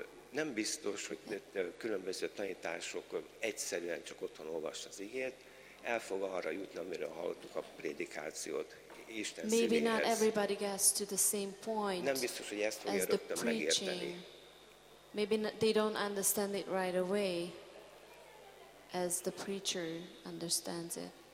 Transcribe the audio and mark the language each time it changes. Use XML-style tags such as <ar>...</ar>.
<hu>nem biztos, hogy különböző tanítások egyszerűen csak otthon olvas az igét, el fog arra jutni, amiről hallottuk a prédikációt Isten szívéhez.</hu> <en>Maybe not everybody gets to the same point.</en> <hu>Nem biztos, hogy ezt fogja rögtön megérteni.</hu> <en>Maybe they don't understand it right away as the preacher understands it.</en>